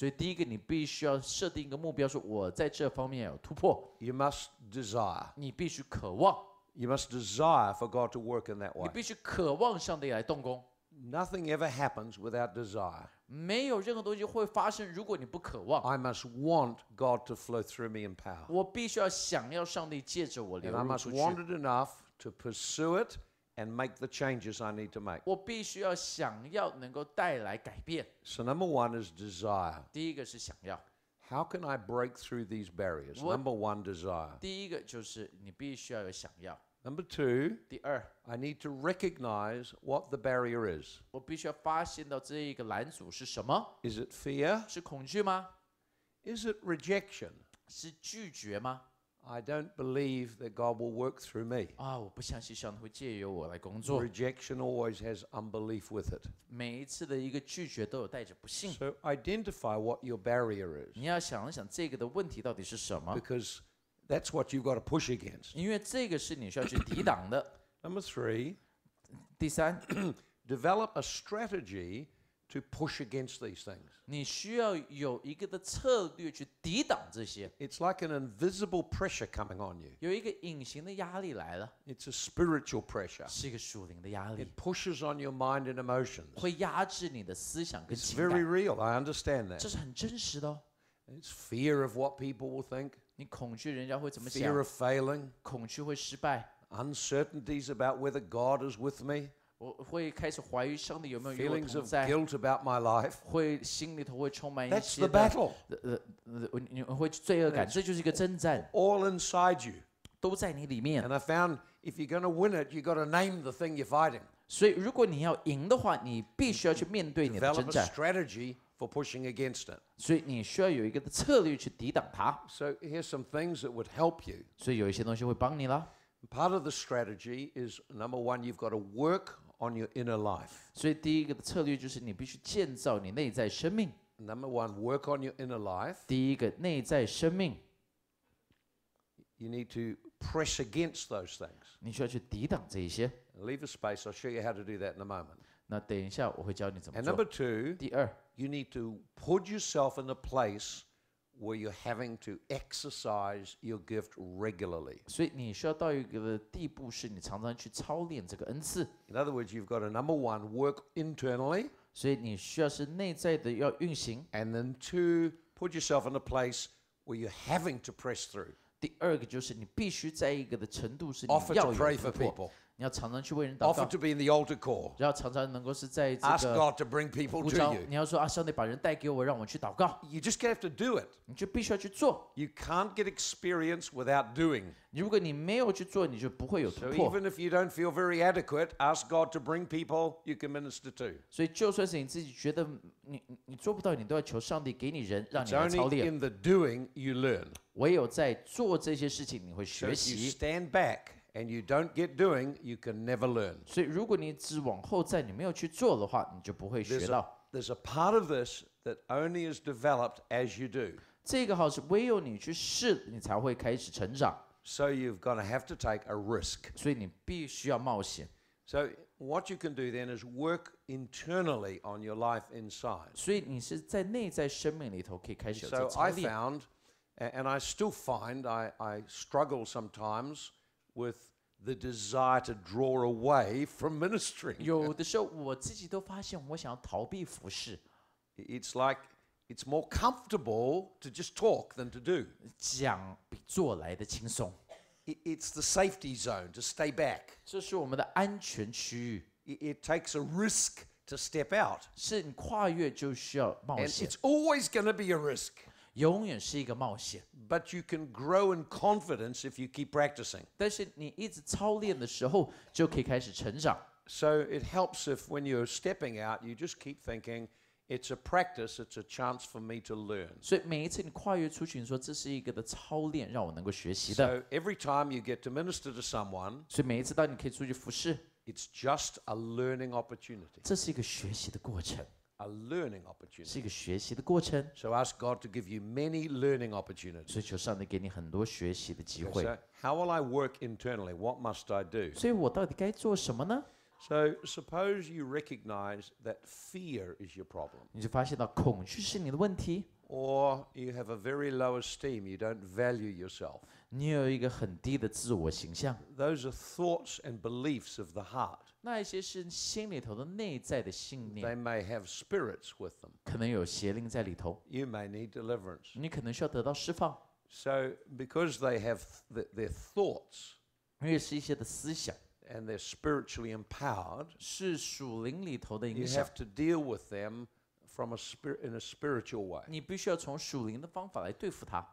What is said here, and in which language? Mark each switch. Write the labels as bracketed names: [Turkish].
[Chinese] 所以第一个，你必须要设定一个目标，说我在这方面要突破。 [English] You must desire. [Chinese] 你必须渴望。 [English] You must desire for God to work in that way. [Chinese] 你必须渴望上帝来动工。 [English] Nothing ever happens without desire. [Chinese] 没有任何东西会发生，如果你不渴望。 [English] I must want God to flow through me in power. [Chinese] 我必须要想要上帝借着我流入出去。 [English] And I must want it enough to pursue it and make the changes I need to make. [Chinese] 我必须要想要能够带来改变。 [English] So number one is desire. [Chinese] 第一个是想要。 [English] How can I break through these barriers? Number one, desire. [Chinese] 第一个就是你必须要有想要。 [English] Number two, [Chinese] 第二, [English] I need to recognize what the barrier is. [Chinese] 我必须要发现到这一个拦阻是什么? [English] Is it fear? [Chinese] 是恐惧吗? [English] Is it rejection? [Chinese] 是拒绝吗? [English] I don't believe that God will work through me. [Chinese] 啊，我不相信上帝会借由我来工作。 [English] Rejection always has unbelief with it. [Chinese] 每一次的一个拒绝都有带着不信。 [English] So identify what your barrier is. [Chinese] 你要想一想这个的问题到底是什么? [English] Because... That's what you've got to push against. [Chinese] 因为这个是你需要去抵挡的。 [English] Number three, [Chinese] 第三 [English] develop a strategy to push against these things. [Chinese] 你需要有一个的策略去抵挡这些。 [English] It's like an invisible pressure coming on you. [Chinese] 有一个隐形的压力来了。 [English] It's a spiritual pressure. [Chinese] 是一个属灵的压力。 [English] It pushes on your mind and emotions. [Chinese] 会压制你的思想跟情感。 [English] It's very real. I understand that. [Chinese] 这是很真实的哦。 [English] It's fear of what people will think. [Chinese] 你恐惧人家会怎么想 [English] ？Fear of failing， [Chinese] 恐惧会失败。 [English] Uncertainties about whether God is with me， [Chinese] 我会开始怀疑上帝有没有与我同在。 [English] Feelings of guilt about my life， [Chinese] 会心里头会充满一些。 [English] That's the battle， [Chinese] 你会罪恶感，这就是一个征战。 [English] All inside you， [Chinese] 都在你里面。 [English] And I found if you're going to win it， you've got to name the thing you're fighting。 [Chinese] 所以如果你要赢的话，你必须要去面对你的征战。 [English] Develop a strategy。 For pushing against it. [Chinese] 所以你需要有一个策略去抵挡它。 [English] So here's some things that would help you. [Chinese] 所以有一些东西会帮你啦。 [English] Part of the strategy is number one, you've got to work on your inner life. [Chinese] 所以第一个的策略就是你必须建造你内在生命。 [English] Number one, work on your inner life. [Chinese] 第一个内在生命。 [English] You need to press against those things. [Chinese] 你需要去抵挡这一些。 [English] Leave a space. I'll show you how to do that in a moment. [Chinese] 那等一下我会教你怎么做。 [English] And number two, [Chinese] 第二。 [English] You need to put yourself in a place where you're having to exercise your gift regularly. [Chinese] 所以你需要到一个地步，是你常常去操练这个恩赐。 [English] In other words, you've got to number one work internally. [Chinese] 所以你需要是内在的要运行。 [English] And then two, put yourself in a place where you're having to press through. [Chinese] 第二个就是你必须在一个的程度是你要有突破。 [English] Offer to pray for people. [Chinese] 你要常常去为人祷告。 [English] Offer to be in the altar call. [Chinese] 然后常常能够是在这个。 [English] Ask God to bring people to you. [Chinese] 你要说啊，上帝把人带给我，让我去祷告。 [English] You just have to do it. [Chinese] 你就必须要去做。 [English] You can't get experience without doing. [Chinese] 如果你没有去做，你就不会有突破。 [English] So even if you don't feel very adequate, ask God to bring people you can minister to. [Chinese] 所以就算是你自己觉得你做不到，你都要求上帝给你人，让你来操练。 [English] It's only in the doing you learn. [Chinese] 唯有在做这些事情，你会学习。 [English] So if you stand back. And you don't get doing, you can never learn. [Chinese] 所以如果你只往后站，你没有去做的话，你就不会学到。 [English] There's a part of this that only is developed as you do. [Chinese] 这个好是唯有你去试，你才会开始成长。 [English] So you've got to have to take a risk. [Chinese] 所以你必须要冒险。 [English] So what you can do then is work internally on your life inside. [Chinese] 所以你是在内在生命里头可以开始有这个操练。 [English] So I found, and I still find, I struggle sometimes. With the desire to draw away from ministry. [Chinese] 有的时候我自己都发现我想要逃避服事。 [English] It's like it's more comfortable to just talk than to do. [Chinese] 讲比做来的轻松。 [English] It's the safety zone to stay back. [Chinese] 这是我们的安全区域。 [English] It takes a risk to step out. [Chinese] 是你跨越就需要冒险。 [English] And it's always going to be a risk. [Chinese] 永远是一个冒险。 [English] But you can grow in confidence if you keep practicing. [Chinese] 但是你一直操练的时候就可以开始成长。 [English] So it helps if when you're stepping out, you just keep thinking, it's a practice, it's a chance for me to learn. [Chinese] 所以每一次你跨越出去，你说这是一个的操练，让我能够学习的。 [English] So every time you get to minister to someone, [Chinese] 所以每一次当你可以出去服事， [English] it's just a learning opportunity. [Chinese] 这是一个学习的过程。 [English] A learning opportunity. [Chinese] 是一个学习的过程。 [English] So ask God to give you many learning opportunities. [Chinese] 所以求上帝给你很多学习的机会。 [English] So how will I work internally? What must I do? [Chinese] 所以我到底该做什么呢？ [English] So suppose you recognize that fear is your problem. [Chinese] 你就发现到恐惧是你的问题。 [English] Or you have a very low esteem, you don't value yourself. [Chinese] 你有一个很低的自我形象。 [English] Those are thoughts and beliefs of the heart. [Chinese] 那一些是心里头的内在的信念。 [English] They may have spirits with them. [Chinese] 可能有邪灵在里头。 [English] You may need deliverance. [Chinese] 你可能需要得到释放。 [English] So because they have their thoughts, [Chinese] 因为是一些的思想。 [English] And they're spiritually empowered. [Chinese] 是属灵里头的影响。 [English] You have to deal with them from a spirit in a spiritual way. [Chinese] 你必须要从属灵的方法来对付它。